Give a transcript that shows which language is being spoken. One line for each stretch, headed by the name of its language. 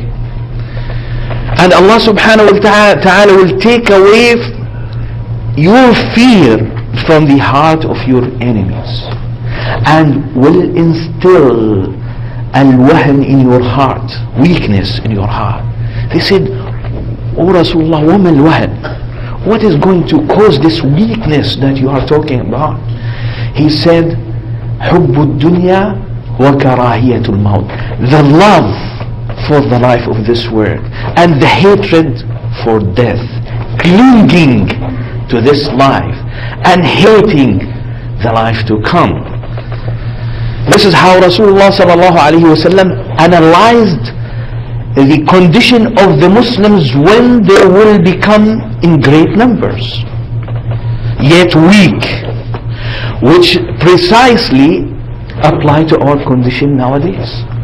English: And Allah subhanahu wa ta'ala will take away your fear from the heart of your enemies and will instill al-wahn in your heart, weakness in your heart. They said, O Rasulullah, wa ma al-wahn? What is going to cause this weakness that you are talking about? He said,
Arabic: حب الدنيا وكراهية الموت.
English: The love for the life of this world and the hatred for death, clinging to this life and hating the life to come. This is how Rasulullah sallallahu alayhi wa sallam analyzed the condition of the Muslims when they will become in great numbers yet weak, which precisely apply to our condition nowadays.